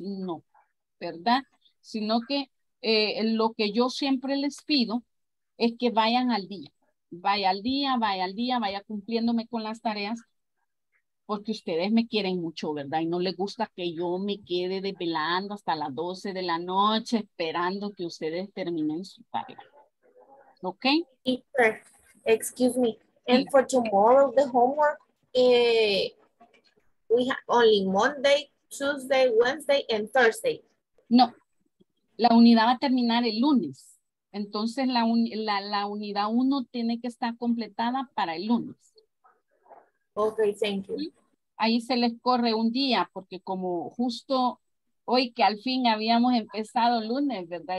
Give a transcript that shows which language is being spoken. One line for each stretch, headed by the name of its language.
Spanish: No, ¿verdad? Sino que lo que yo siempre les pido es que vayan al día. Vaya al día, vaya al día, vaya cumpliéndome con las tareas, porque ustedes me quieren mucho, ¿verdad? Y no les gusta que yo me quede desvelando hasta las 12 de la noche esperando que ustedes terminen su tarea. ¿Ok?
English: Excuse me. And for tomorrow, the homework, we have only Monday, Tuesday, Wednesday, and Thursday.
Spanish: No. La unidad va a terminar el lunes. Entonces, la unidad 1 tiene que estar completada para el lunes.
English: Ok, thank you.
Spanish: Ahí se les corre un día, porque como justo hoy que al fin habíamos empezado lunes, ¿verdad?